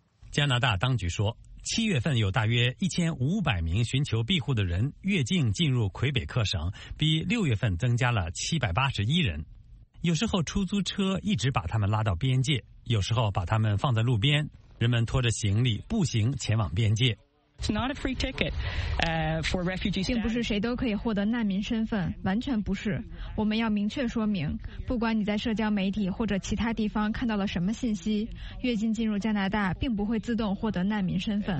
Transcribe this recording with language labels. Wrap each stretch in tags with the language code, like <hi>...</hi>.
<zh>加拿大当局说，七月份有大约1500名寻求庇护的人越境进入魁北克省，比六月份增加了781人。有时候出租车一直把他们拉到边界，有时候把他们放在路边，人们拖着行李步行前往边界。</zh> <en>It's not a free ticket, for refugees.</en> <zh>并不是谁都可以获得难民身份，完全不是。我们要明确说明，不管你在社交媒体或者其他地方看到了什么信息，越境进入加拿大并不会自动获得难民身份。</zh>